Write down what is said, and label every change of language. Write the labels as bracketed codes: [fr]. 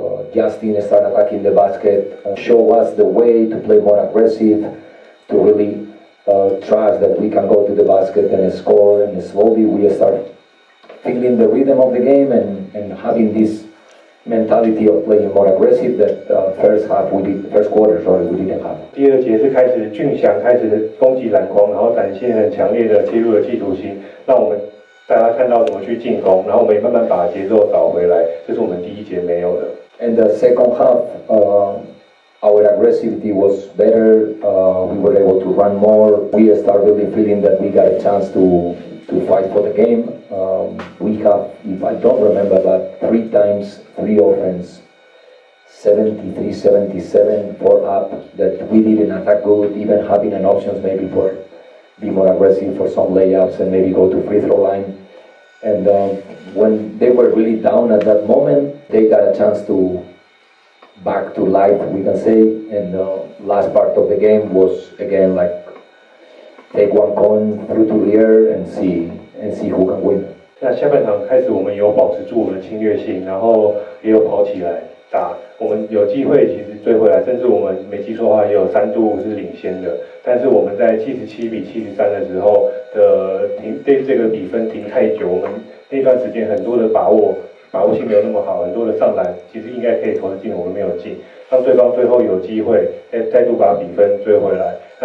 [en] Justin started attacking the basket, show us the way to play more aggressive, to really trust that we can go to the basket and score, and slowly we start feeling the rhythm of the game and having this mentality of playing more aggressive that first half we did, first quarter, sorry, we didn't have. [zh] 第二节是开始俊翔开始攻击篮筐，然后展现很强烈的切入的企图心，让我们大家看到怎么去进攻，然后我们也慢慢把节奏找回来，这是我们第一节没有的。 [en] And the second half, our aggressivity was better. We were able to run more. We started really feeling that we got a chance to fight for the game. We have, if I don't remember, but three times, three offense, 73, 77, four up, that we didn't attack good, even having an option maybe for be more aggressive for some layups and maybe go to free throw line. And when they were really down at that moment, they got a chance to back to life, we can say. And the last part of the game was, again, like, take one coin through to the air and see who can win. [zh] 那下半场开始我们有保持住我们的侵略性，然后也有跑起来打，我们有机会其实追回来，甚至我们没记错的话也有三度是领先的，但是我们在77-73的时候的停，对这个比分停太久，我们那段时间很多的把握性没有那么好，很多的上篮其实应该可以投得进，我们没有进，让对方最后有机会再度把比分追回来。